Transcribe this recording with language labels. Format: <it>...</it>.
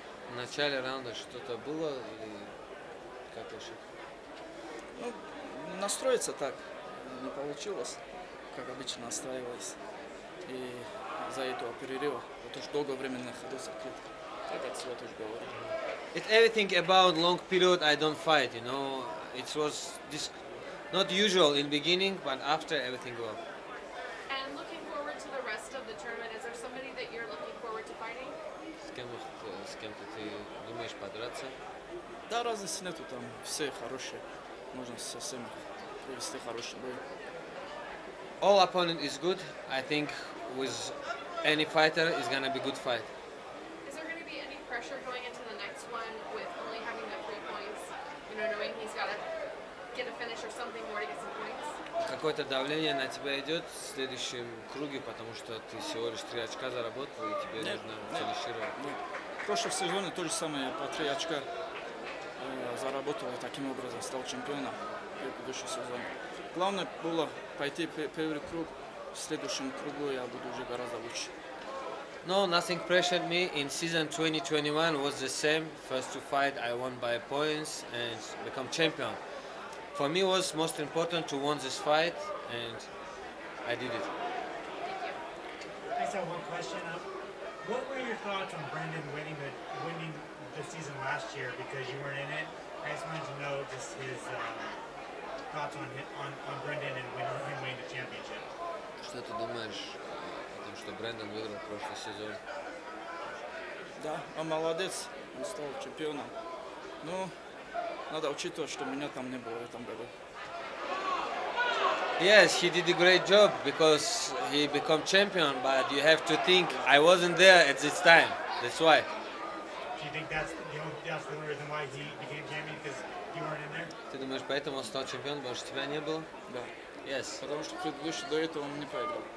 <ru>в начале раунда что-то было или как еще? Ну, настроиться так не получилось, как обычно настраивалось. И за этого перерыва, вот уж долгое время находился в клетке. Так это всего тоже говорил.</ru> <en>It's everything about long period I don't fight, you know. It was this not usual in beginning, but after everything well. And looking forward to the rest of the tournament, is there somebody that you're looking forward to fighting?</en> <ru>С кем-то ты думаешь подраться? Да, разницы нету, там все хорошие. Можно со всеми провести хороший бой.</ru> <en>All opponent is good. I think with any fighter is gonna be good fight. Is there gonna be any pressure going into the next one with only having the 3 points? You know, knowing he's gotta get a finish or something more to get some points?</en> <ru>Какое-то давление на тебя идет в следующем круге, потому что ты всего лишь 3 очка заработал, и тебе нужно финишировать. В прошлом сезоне то же самое, по 3 очка заработал, и таким образом стал чемпионом в предыдущем сезоне. Главное было пойти первый круг, в следующем кругу я буду уже гораздо лучше.</ru> <en>No, nothing pressured me. In season 2021 was the same. First two fight I won by points and become champion. For me was most important to win this fight, and I did it. Thank you. I just have one question. What were your thoughts on Brendan winning the season last year because you weren't in it? I just wanted to know just his thoughts on Brendan and winning the championship.</en> <ru>Что ты думаешь о том, что Брендан выиграл прошлый сезон? Да, он молодец, он стал чемпионом. Ну. Надо учитывать, что меня там не было в этом году.</ru> <en>Yes, he did a great job because he became champion, but you have to think I wasn't there at this time. That's why. Do you think that's the reason why he became champion because you weren't in there?</en> <ru>Ты думаешь, поэтому он стал чемпионом, потому что тебя не было? Да.</ru> <en>Yes.</en> <ru>Потому что предыдущий до этого он не проиграл.</ru>